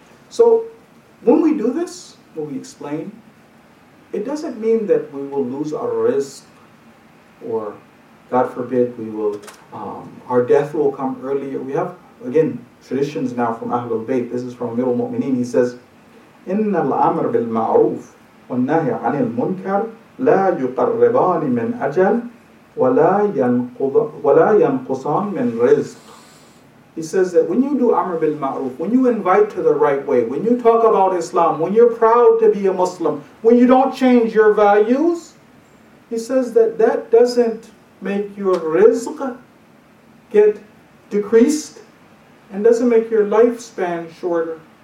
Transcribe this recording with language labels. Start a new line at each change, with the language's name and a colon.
English: So when we do this, when we explain, it doesn't mean that we will lose our risk, or God forbid, we will our death will come earlier. We have, again, traditions now from Ahlul Bayt. This is from Amir al-Mu'mineen. He says,
Arabic: إن الأمر بالمعروف والنهي عن المنكر لا يقربان من أجل ولا ينقصان من رزق.
English: He says that when you do Amr bil Ma'ruf, when you invite to the right way, when you talk about Islam, when you're proud to be a Muslim, when you don't change your values, he says that that doesn't make your rizq get decreased and doesn't make your lifespan shorter.